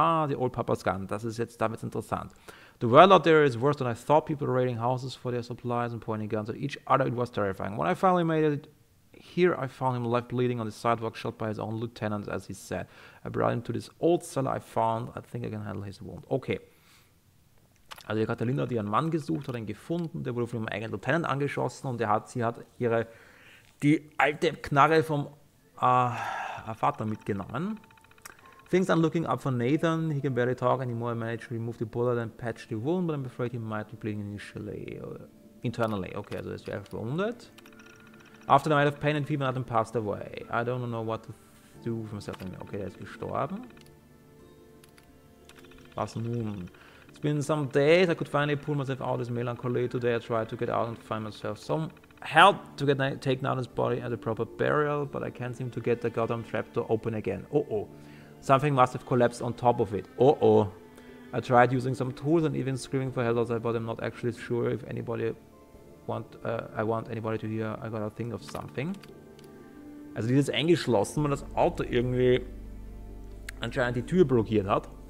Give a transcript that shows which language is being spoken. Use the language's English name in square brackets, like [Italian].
[English] Ah, the old papa's gun. [German] Das ist jetzt damit interessant. [English] The world out there is worse than I thought. People raiding houses for their supplies and pointing guns at each other. It was terrifying. When I finally made it here, I found him left bleeding on the sidewalk, shot by his own lieutenant, as he said. I brought him to this old cellar I found. I think I can handle his wound. Okay. [German] Also die Catalina hat ihren Mann gesucht, hat ihn gefunden, der wurde von ihrem eigenen Lieutenant angeschossen und die alte Knarre vom Vater mitgenommen. [English] Things are looking up for Nathan, he can barely talk anymore, I managed to remove the bullet and patch the wound, but I'm afraid he might be bleeding internally. [German] Okay, also er ist verwundet. [English] After the night of pain and fever, Nathan passed away. I don't know what to do for myself anymore. [German] Okay, der ist gestorben. Was nun? [English] It's been some days, I could finally pull myself out of this melancholy. Today I tried to get out and find myself some help to get take Nathan's body at a proper burial, but I can't seem to get the goddamn trap to open again. Oh. Something must have collapsed on top of it. Oh. I tried using some tools and even screaming for help outside, but I'm not actually sure if anybody I want anybody to hear. I gotta think of something. [German] Also dieses eingeschlossen, weil das Auto irgendwie anscheinend die Tür blockiert hat.